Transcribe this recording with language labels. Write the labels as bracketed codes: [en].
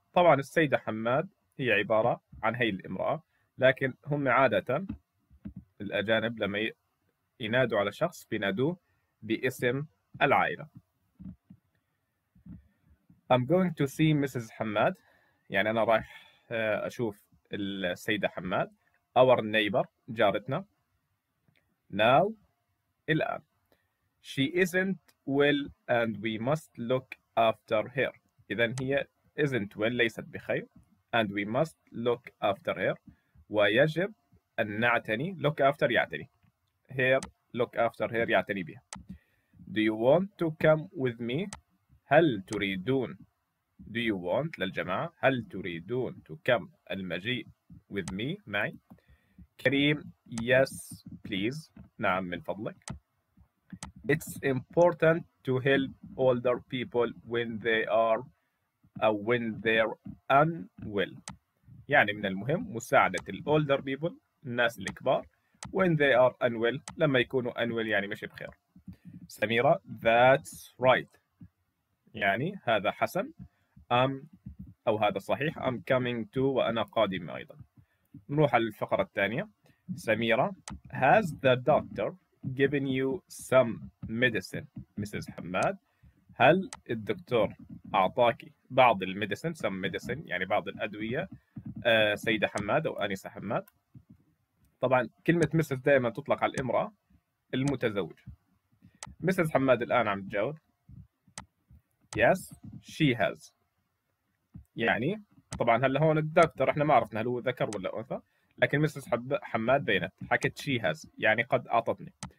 [ar] طبعا السيدة حماد هي عبارة عن هي الامرأة، لكن هم عادة الأجانب لما ينادوا على شخص بينادوه باسم العائلة. [en] I'm going to see Mrs. [ar] حماد، يعني أنا رايح أشوف السيدة حماد. [en] Our neighbor، [ar] جارتنا. [en] Now، [ar] الآن. [en] She isn't well and we must look after her. [ar] إذن هي [en] isn't well، [ar] ليست بخير. [en] And we must look after her. [ar] ويجب أن نعتني. [en] Look after [ar] يعتني. [en] Her look after her [ar] يعتني بها. [en] Do you want to come with me؟ [ar] هل تريدون؟ [en] Do you want [ar] للجماعة؟ هل تريدون [en] to come [ar] المجيء [en] with me [ar] معي؟ [en] Karim yes please، [ar] نعم من فضلك. [en] It's important to help older people when they are when they're unwell. [ar] يعني من المهم مساعدة الـ [en] older people، [ar] الناس الكبار، [en] when they are unwell، [ar] لما يكونوا [en] unwell [ar] يعني مش بخير. سميرة [en] that's right، [ar] يعني هذا حسن. أو هذا صحيح. [en] I'm coming to، [ar] وأنا قادم أيضا. نروح على الفقرة الثانية. [en] Samira has the doctor given you some medicine Mrs. [ar] حماد؟ هل الدكتور أعطاك بعض الميديسن، [en] some medicine [ar] يعني بعض الأدوية، سيدة حماد أو أنسة حماد؟ طبعا كلمة Mrs. دائما تطلق على الإمرأة المتزوجة. [en] Mrs. [ar] حماد الآن عم تجاوب [en] yes she has، [ar] يعني طبعا هلا هون الدكتور احنا ما عرفنا هل هو ذكر ولا أنثى، لكن مسز حماد بينت حكت [en] she has، [ar] يعني قد أعطتني.